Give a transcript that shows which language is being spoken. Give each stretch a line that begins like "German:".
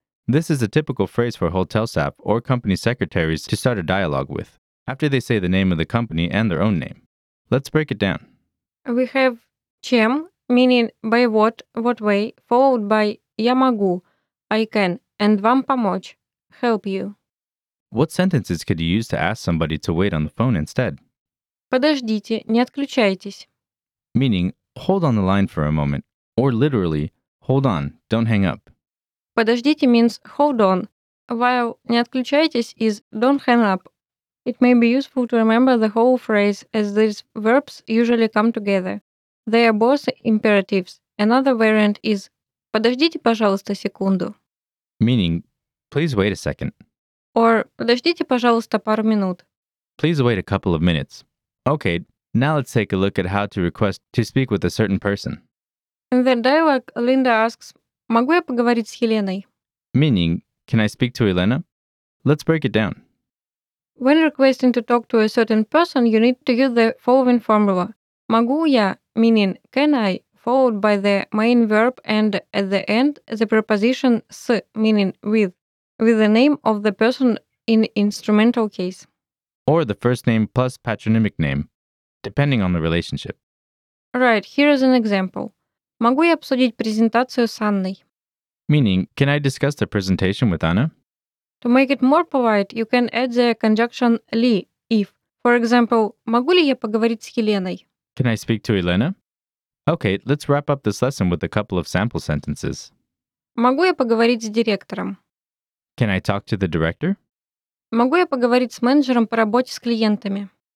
English: This is a typical phrase for hotel staff or company secretaries to start a dialogue with, after they say the name of the company and their own name. Let's break it down. We have
Russian: чем,
English: meaning by what way, followed by
Russian: я могу,
English: I can, and
Russian: вам помочь,
English: help you. What sentences could you use to ask somebody to wait on the phone instead?
Russian: Подождите, не отключайтесь.
English: Meaning, hold on the line for a moment, or literally, hold on, don't hang up.
Russian: Подождите
English: means hold on, while
Russian: не отключайтесь
English: is don't hang up. It may be useful to remember the whole phrase as these verbs usually come together. They are both imperatives. Another variant is
Russian: подождите, пожалуйста, секунду.
English: Meaning, please wait a second.
Russian: Or подождите, пожалуйста, пару минут.
English: Please wait a couple of minutes. Okay, now let's take a look at how to request to speak with a certain person. In the dialogue, Linda asks,
Russian: могу я поговорить с Еленой?
English: Meaning, can I speak to Elena? Let's break it down. When requesting to talk to a certain person, you need to use the following formula.
Russian: Могу я,
English: meaning can I, followed by the main verb and at the end the preposition с, meaning with the name of the person in instrumental case. Or the first name plus patronymic name, depending on the relationship. Right, here is an example.
Russian: Могу я обсудить презентацию с Анной?
English: Meaning, can I discuss the presentation with Anna? To make it more polite, you can add the conjunction ли, if. For example,
Russian: могу ли я поговорить с Еленой?
English: Can I speak to Elena? Okay, let's wrap up this lesson with a couple of sample sentences.
Russian: Могу я поговорить с директором?
English: Can I talk to the director?
Russian: Могу я поговорить с менеджером по работе с клиентами?